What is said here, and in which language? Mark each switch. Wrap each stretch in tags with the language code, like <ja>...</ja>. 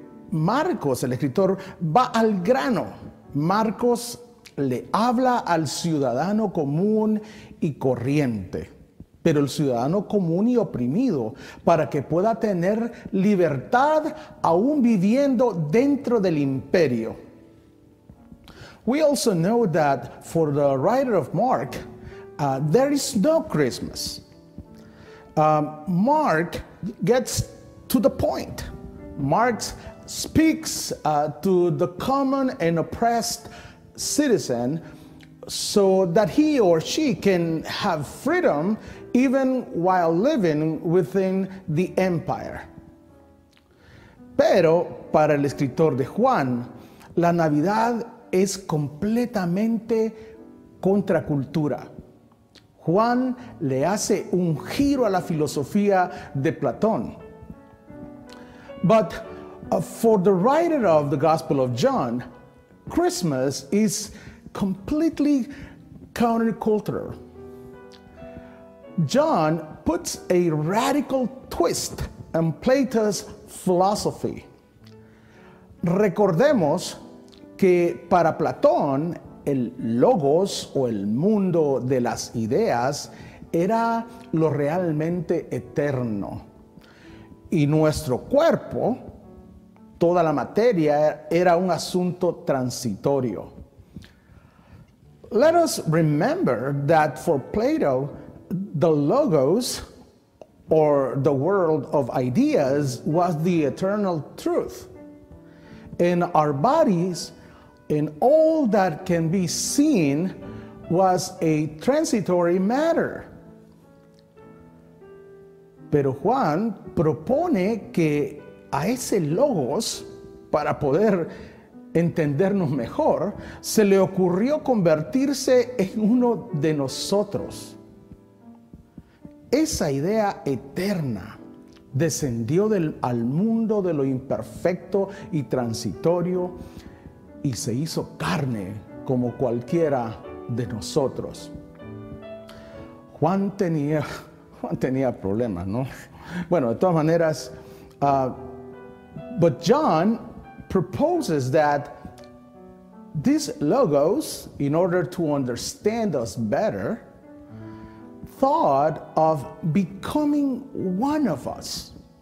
<es>Marcos, el escritor, va al grano. Marcos le habla al ciudadano común y corriente. Pero el ciudadano común y oprimido, para que pueda tener libertad aún viviendo dentro del imperio.</es> <en>We also know that for the writer of Mark, there is no Christmas. Mark gets to the point. Mark speaks to the common and oppressed citizen so that he or she can have freedom even while living within the empire.</en> <es>Pero para el escritor de Juan, la Navidad es completamente contracultura. Juan le hace un giro a la filosofía de Platón.</es> <en>But for the writer of the Gospel of John, Christmas is completely countercultural. John puts a radical twist on Plato's philosophy.</en> <es>Recordemos que para Platón, el logos o el mundo de las ideas era lo realmente eterno. Y nuestro cuerpo, toda la materia, era un asunto transitorio.</es> <en>Let us remember that for Plato, the logos, or the world of ideas, was the eternal truth. In our bodies, in all that can be seen, was a transitory matter.</en> <es>Pero Juan propone que a ese logos, para poder entendernos mejor, se le ocurrió convertirse en uno de nosotros. Esa idea eterna, descendió al mundo de lo imperfecto y transitorio y se hizo carne como cualquiera de nosotros. Juan tenía problemas, ¿no? Bueno, de todas maneras,</es> <en>but John proposes that this Logos, in order to understand us better, thought of becoming one of us.</en>